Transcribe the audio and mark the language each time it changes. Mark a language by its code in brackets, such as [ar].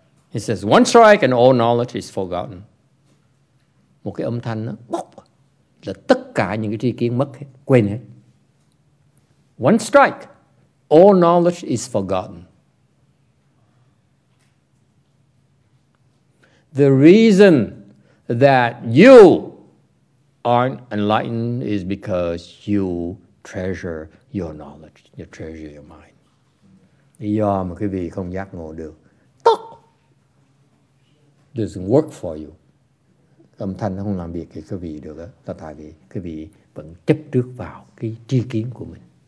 [en] He says, one strike and all knowledge is forgotten. [vi] Một cái âm thanh đó. Bóc. Là tất cả những cái tri kiến mất hết. Quên hết. [en] One strike, all knowledge is forgotten. The reason that you aren't enlightened is because you treasure your knowledge, you treasure your mind. [vi] Do mà quý vị không giác ngộ được, tóc [en] doesn't work for you. [vi] Âm thanh nó không làm việc với quý vị được đó, tại vì quý vị vẫn chấp trước vào cái tri kiến của mình.